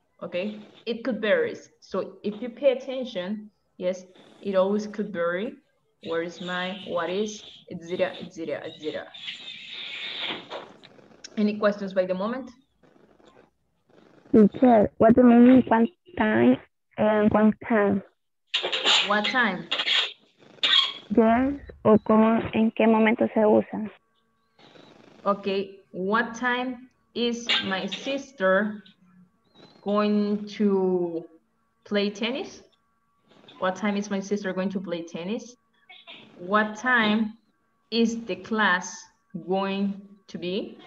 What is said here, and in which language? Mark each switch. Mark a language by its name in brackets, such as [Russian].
[English] Okay, it could vary. So if you pay attention, yes, it always could vary. Where is my, what is, etc., etc., etc. Any questions by the moment? Teacher, what do you mean one time and one time? What time? [Spanish] Yes, o como, en qué momento se usa. [English] Okay, what time is my sister going to play tennis? What time is my sister going to play tennis? What time is the class going to be?